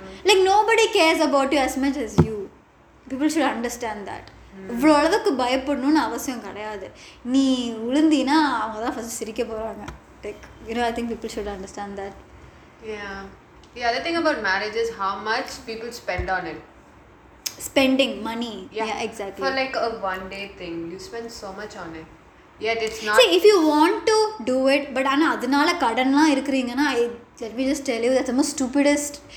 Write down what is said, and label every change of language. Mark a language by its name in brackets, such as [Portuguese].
[English] Like nobody cares about you as much as you. People should understand that. [Tamil] இவ்வளவுக்கு பயப்படணும்னு அவசியம் கிடையாது. நீ உளுந்தினா அவங்க தான் ஃபர்ஸ்ட் சிரிக்க போறாங்க. [English] Like you know I think people should understand that. Yeah. The other thing about marriage is how much people spend on it. Spending money. Yeah, exactly. For like a one day thing, you spend so much on it. Yet it's not. See, if you want to do it, but [Tamil] ana adunala kadanla irukringana, [English] let me just tell you, that's the most stupidest.